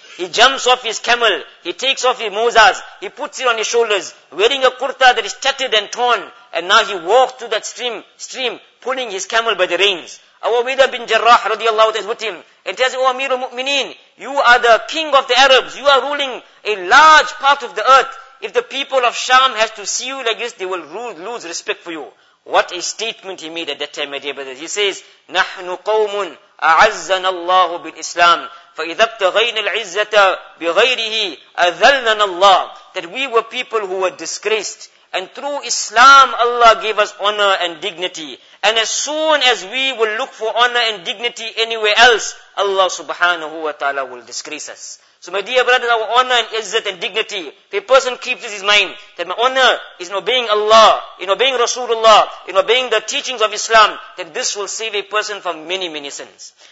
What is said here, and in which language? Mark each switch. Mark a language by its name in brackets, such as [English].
[English] He jumps off his camel, he takes off his mozas, he puts it on his shoulders, wearing a kurta that is tattered and torn, and now he walks through that stream, pulling his camel by the reins. Abu Ubaidah bin Jarrah radiallahu ta'ala is with him. And tells him, O Amir al-Mu'mineen, you are the king of the Arabs. You are ruling a large part of the earth. If the people of Sham has to see you like this, they will lose respect for you. What a statement he made at that time, my dear brothers. He says, [Arabic] نَحْنُ قَوْمٌ أَعَزَّنَ اللَّهُ بِالْإِسْلَامِ فَإِذَا ابْتَغَيْنَ الْعِزَّةَ بِغَيْرِهِ أَذَلَّنَ اللَّهُ. [English] That we were people who were disgraced. And through Islam, Allah gave us honor and dignity. And as soon as we will look for honor and dignity anywhere else, Allah subhanahu wa ta'ala will disgrace us. So my dear brothers, our honor and izzat and dignity, if a person keeps this in mind, that my honor is in obeying Allah, in obeying Rasulullah, in obeying the teachings of Islam, then this will save a person from many, many sins.